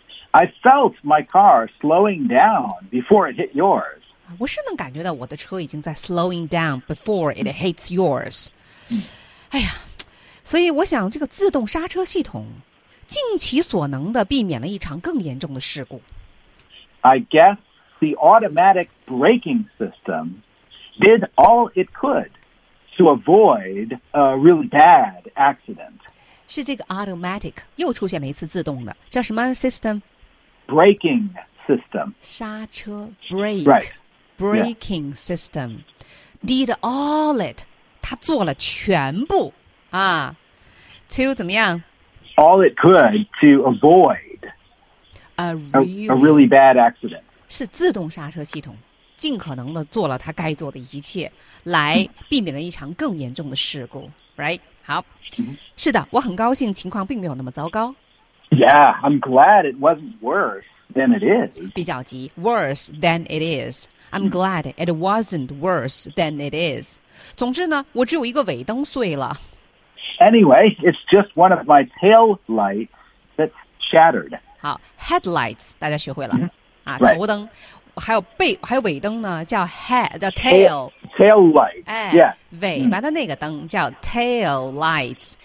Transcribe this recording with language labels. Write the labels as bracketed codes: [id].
[en] I felt my car slowing down before it hit yours. [zh] 我是能感觉到我的车已经在 [en] slowing down before it hits yours. [zh] 哎呀，所以我想这个自动刹车系统尽其所能地避免了一场更严重的事故。 [en] I guess the automatic braking system did all it could to avoid a really bad accident. [zh] 是这个 automatic 又出现了一次自动的，叫什么 system？ [en] Braking system. [zh] 刹车 brake. [en] Right. Braking、 system. Did all it. [zh] 他做了全部啊 To 怎么样 [en] All it could to avoid a really bad accident. [zh] 是自动刹车系统尽可能的做了他该做的一切来避免了一场更严重的事故 Right. 好、 mm-hmm. 是的我很高兴情况并没有那么糟糕 [en] Yeah, I'm glad it wasn't worse than it is. 比较急 worse than it is. I'm glad it wasn't worse than it is. [zh] 总之呢，我只有一个尾灯碎了。 [en] Anyway, it's just one of my tail lights that's shattered. [zh] 好 ，headlights 大家学会了、 mm-hmm. 啊，头灯， [en] right. [zh] 还有尾灯呢，叫 head the [en] tail。 Tail light. Yeah. [zh] 尾巴的那个灯叫 tail lights.